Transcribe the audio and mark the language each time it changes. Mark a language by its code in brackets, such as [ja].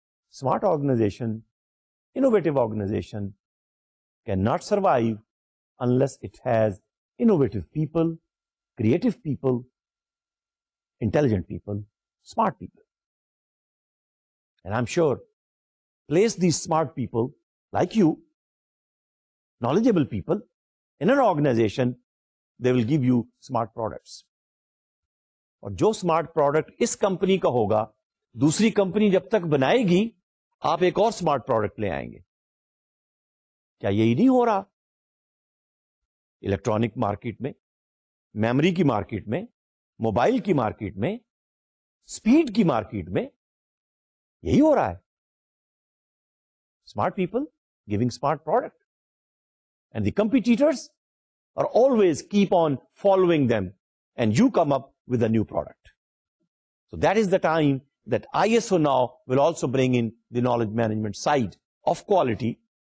[en] Smart organization, innovative organization cannot survive unless it has innovative people, creative people, intelligent people, smart people. And I'm sure, place these smart people like you, knowledgeable people in an organization, they will give you smart products. [ur] اور جو smart product اس company کا ہوگا, دوسری company جب تک بنائے گی آپ ایک اور smart product لے آئیں گے. کیا یہی نہیں ہو رہا الیکٹرانک مارکیٹ میں, میموری کی مارکیٹ میں, موبائل کی مارکیٹ میں, اسپیڈ کی مارکیٹ میں, یہی ہو رہا ہے. [en] Smart people giving smart product. And the competitors are always keep on following them and you come up with a new product. So that is the time that ISO now will also bring in the knowledge management side of quality.